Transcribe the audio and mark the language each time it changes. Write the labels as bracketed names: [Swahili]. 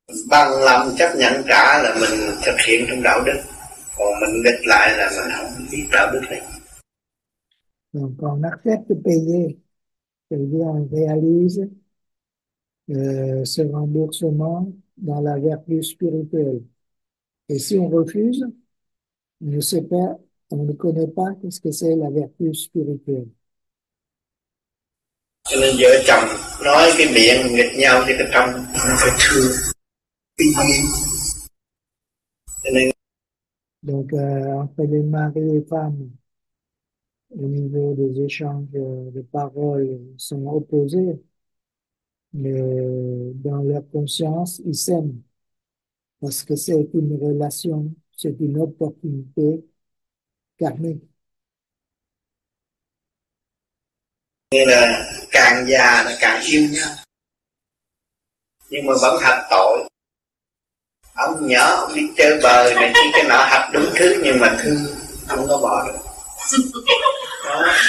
[Vietnamese] Bằng lòng chấp nhận trả là mình thực hiện trong đạo đức, còn mình nghịch lại là mình không biết đạo đức này. [French] Donc, on accepte de payer, c'est-à-dire on réalise ce remboursement dans la vertu spirituelle. Et si on refuse, on ne sait pas, on ne connaît pas ce que c'est la vertu spirituelle. [Vietnamese] Cho nên vợ chồng nói cái miệng nghịch nhau thì cái tâm nó phải thương. Cho nên [French] Donc, entre les maris et les femmes, au niveau des échanges de paroles, sont opposés, mais dans leur conscience, ils s'aiment parce que c'est une relation, c'est une opportunité karmique. [Vietnamese] nghĩa là càng già là càng yêu nhau nhưng mà vẫn hạch tội. Ông nhỏ ông đi chơi bời này chỉ cái nợ hạch đúng thứ nhưng mà thương không có bỏ được đó.